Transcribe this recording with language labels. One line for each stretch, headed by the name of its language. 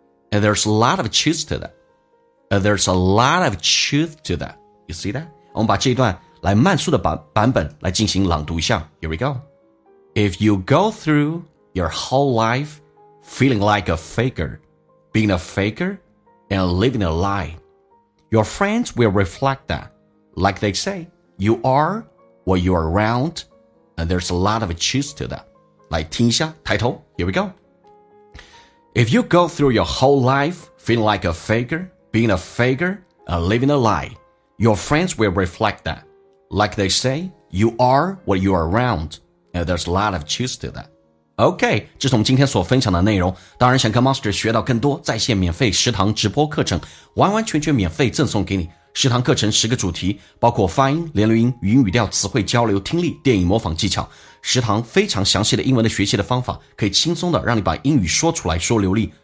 English: And there's a lot of truth to that. And there's a lot of truth to thatYou see that?
Chinese: 我们把这一段来慢速的版本来进行朗读一下。
English: Here we go. If you go through your whole life feeling like a faker, being a faker and living a lie, your friends will reflect that. Like they say, you are what you are around, and there's a lot of truth to that.
Chinese: 来听一下抬头。
English: Here we go. If you go through your whole life feeling like a faker, being a faker and living a lie,Your friends will reflect that. Like they say, you are what you are around. And there's a lot of truth to that.
Chinese: OK, 这是我们今天所分享的内容。当然想跟 Master 学到更多在线免费食堂直播课程，完完全全免费赠送给你。十堂课程十个主题，包括发音、连读音、语音语调、词汇交流、听力、电影模仿技巧。十堂非常详细的英文的学习的方法，可以轻松的让你把英语说出来说流利。